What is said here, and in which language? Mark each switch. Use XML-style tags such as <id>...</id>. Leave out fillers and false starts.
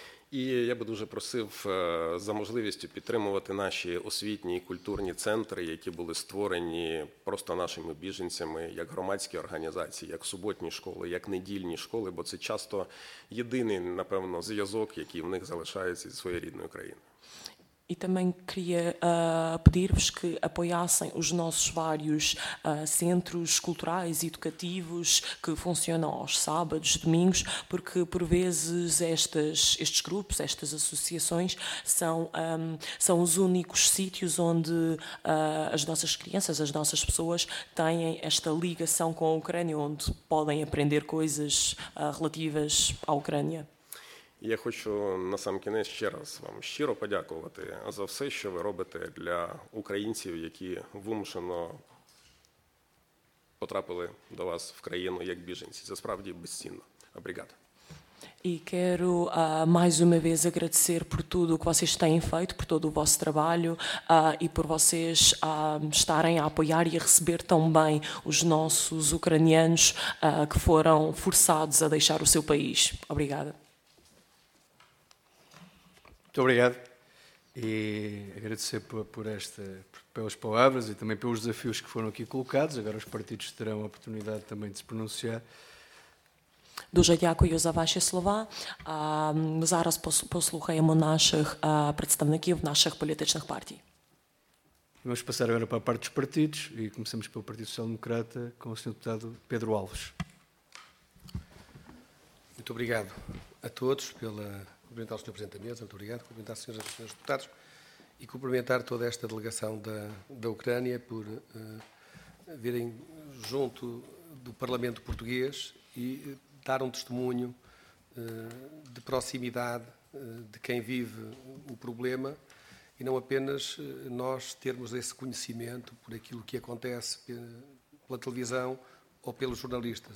<uk>І я би дуже просив за можливістю підтримувати наші освітні і культурні центри, які були створені просто нашими біженцями, як громадські організації, як суботні школи, як недільні школи, бо це часто єдиний, напевно, зв'язок, який в них залишається зі своєю рідною країною.</uk> <pt>E também queria pedir-vos que apoiassem os nossos vários centros culturais e educativos que funcionam aos sábados, domingos, porque por vezes estes grupos, estas associações, são os únicos sítios onde as nossas crianças, as nossas pessoas têm esta ligação com a Ucrânia, onde podem aprender coisas relativas à Ucrânia.</pt> <uk>Я хочу на сам кінець ще раз вам щиро подякувати за все, що ви робите для українців, які вимушено потрапили до вас в країну як біженці. Це справді безцінно. Обрігад.</uk> <pt>E quero mais uma vez agradecer por tudo o que vocês têm feito, por todo o vosso trabalho e por vocês estarem a apoiar e a receber tão bem os nossos ucranianos que foram forçados a deixar o seu país. Obrigada. Muito obrigado. E agradecer pelas palavras e também pelos desafios que foram aqui colocados. Agora os partidos terão a oportunidade também de se pronunciar.</pt> <uk>Дуже дякую за ваші слова. Зараз послухаємо наших представників наших політичних партій.</uk> <pt>Vamos passar agora para a parte dos partidos e começamos pelo Partido Social Democrata com o Sr. Deputado Pedro Alves. Muito obrigado a todos pela cumprimentar o Sr. Presidente da Mesa, muito obrigado, cumprimentar as senhoras e senhores deputados e cumprimentar toda esta delegação da Ucrânia por virem junto do Parlamento Português e dar um testemunho de proximidade de quem vive o problema e não apenas nós termos esse conhecimento por aquilo que acontece pela televisão ou pelos jornalistas.</pt>